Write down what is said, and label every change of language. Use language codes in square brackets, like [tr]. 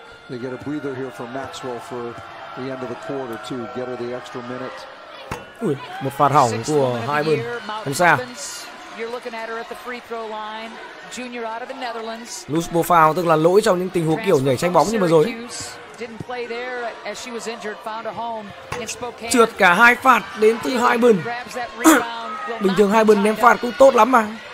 [en] They get a breather here for Maxwell for the end of the quarter too. Get her the extra minute. [vi] Ui, một phạt hỏng của Hyman. Không sao. [en] You're looking at her at the free throw line. Junior out of the Netherlands. [vi] Loose ball foul, tức là lỗi trong những tình huống kiểu nhảy tranh bóng như vừa rồi. [en] Didn't play there as she was injured, found a home in Spokane. [vi] Trượt cả hai phạt đến từ Hyman. Bình thường Hyman ném phạt cũng tốt lắm mà.